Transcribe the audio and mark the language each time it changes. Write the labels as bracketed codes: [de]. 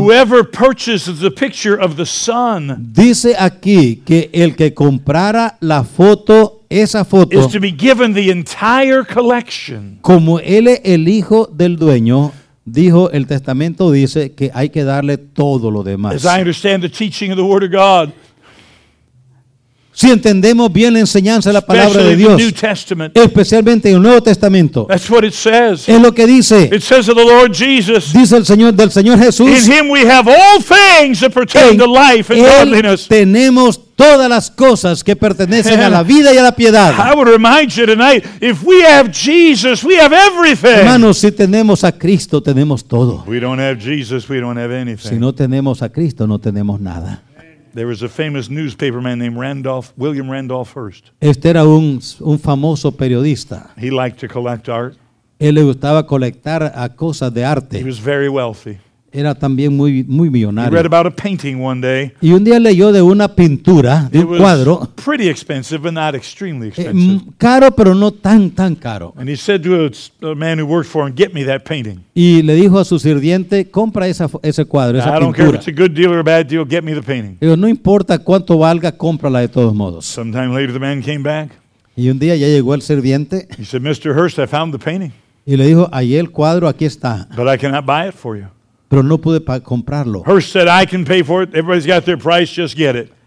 [en] whoever purchases the picture of the son, [es] dice aquí que el que comprara la foto esa foto, [en] is to be given the entire collection. [es] Como él es el hijo del dueño, dijo el testamento dice que hay que darle todo lo demás. [en] As I understand the teaching of the Word of God, [es] si entendemos bien la enseñanza de la palabra de Dios, [en] the New Testament, [es] especialmente en el Nuevo Testamento, [en] that's what it says. [es] Es lo que dice. [en] It says of the Lord Jesus, [es] dice el Señor del Señor Jesús. [en] In him we have all things that pertain to life and godliness. [es] Tenemos todas las cosas que pertenecen a la vida y a la piedad. [en] I would remind you tonight, if we have Jesus, we have everything. [es] Hermanos, si tenemos a Cristo, tenemos todo. [en] We don't have Jesus, we don't have anything. [es] Si no tenemos a Cristo, no tenemos nada. [en] There was a famous newspaper man named William Randolph Hearst. [es] Este era un famoso periodista. [en] He liked to collect art. [es] Él le gustaba colectar a cosas de arte. [en] He was very wealthy. [es] Era también muy, muy millonario. [en] He read about a painting one day. [es] Y un día leyó de una pintura, de [en] it [es] un cuadro. [en] Was pretty expensive, but not extremely expensive. [es] Caro, pero no tan, tan caro. [en] And he said to a man who worked for him, get me that painting. [es] Y le dijo a su sirviente, compra ese cuadro, esa pintura. [en] I don't care if it's a good deal or a bad deal, get me the painting. [es] Digo, no importa cuánto valga, cómprala de todos modos. [en] Sometime later the man came back. [es] Y un día ya llegó el sirviente. [en] He said, Mr. Hearst, I found the painting. [es] Y le dijo, ahí el cuadro, aquí está. [en] But I cannot buy it for you. [es] Pero no pude comprarlo. [en] Hearst said, I can pay for it. Everybody's got their price, just get it.